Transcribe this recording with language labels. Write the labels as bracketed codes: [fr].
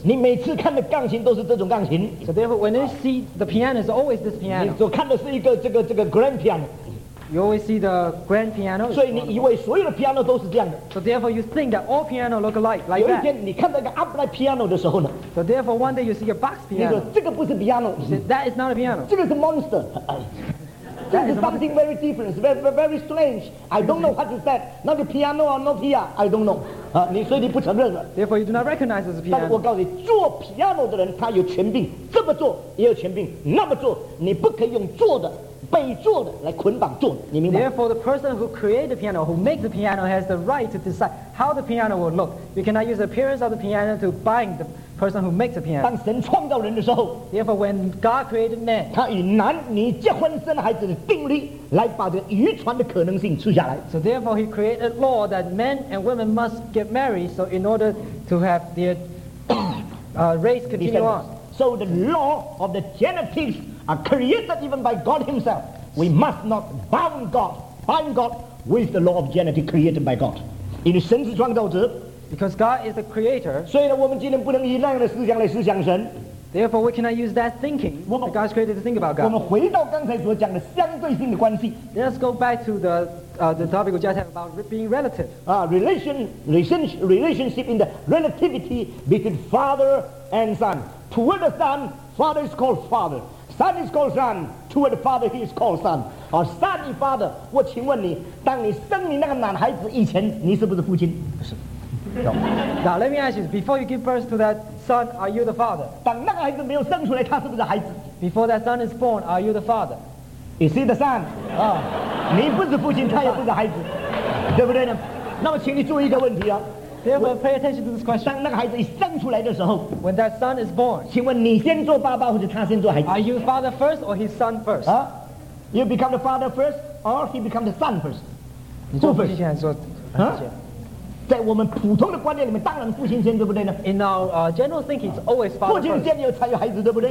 [zh] 你每次看的钢琴都是这种钢琴。 [en] So therefore, when you see the piano, it's always this piano. [zh] 你所看的是一个这个 grand piano. [en] You always see the grand piano. [zh] 所以你以为所有的 piano 都是这样的。 [en] So therefore, you think that all piano look alike, like that. [zh] 有一天你看到一个 upright piano 的时候呢 [en] ？So therefore, one day you see a box piano. [zh] 你说这个不是 piano. [en] Said, that is not a piano. [zh] 这个是 [en] monster. That is something very different, very strange. I don't know what is that. Not a piano or not here, I don't know. [zh] 你所以你不承认了。 [en] Therefore, you do not recognize as a piano. [zh] 但我告诉你，做 piano 的人他有权柄，这么做也有权柄，那么做你不可以用做的、被做的来捆绑做的，你明白 [en] ？Therefore, the person who created the piano, who makes the piano, has the right to decide how the piano will look. You cannot use the appearance of the piano to bind the person who makes the piano. [zh] 当神创造人的时候 [en] ，Therefore, when God created man, [zh] 他以男女结婚生孩子的定律来把这个遗传的可能性出下来。 [en] So therefore, he created a law that men and women must get married, so in order to have their race continue on. So the law of the genetics. Are created even by God Himself. We must not bind God with the law of genetic created by God. In a sense, 创造者 because God is the creator. [zh] 所以呢，我们今天不能以那样的思想来思想神。 [en] Therefore, we cannot use that thinking that God's created to think about God. [zh] 我们回到刚才所讲的相对性的关系。 [en] Let's go back to the topic we just had about being relative. Relationship in the relativity between father and son. Toward the son, father is called father. Son is called son. Toward the father, he is called son. Son and father. [zh] 我请问你，当你生你那个男孩子以前，你是不是父亲？不是。 [en] Now let me ask you. Before you give birth to that son, are you the father? [zh] 当那个孩子没有生出来，他是不是孩子 [en] ？Before that son is born, are you the father? Is he the son? [zh] 你不是父亲，他也不是孩子，对不对呢？那么，请你注意一个问题啊。 [en] Therefore, pay attention to this question. [zh] 当那个孩子一生出来的时候 [en] ，When that son is born, [zh] 请问你先做爸爸或者他先做孩子 [en] ？Are you father first or his son first? You become the father first or he become the son first? [zh] 你做父亲先做？在我们普通的观念里面，当然父亲先，对不对呢 [en] ？In our general thinking, it's always father. [zh] 父亲先有才有孩子，对不对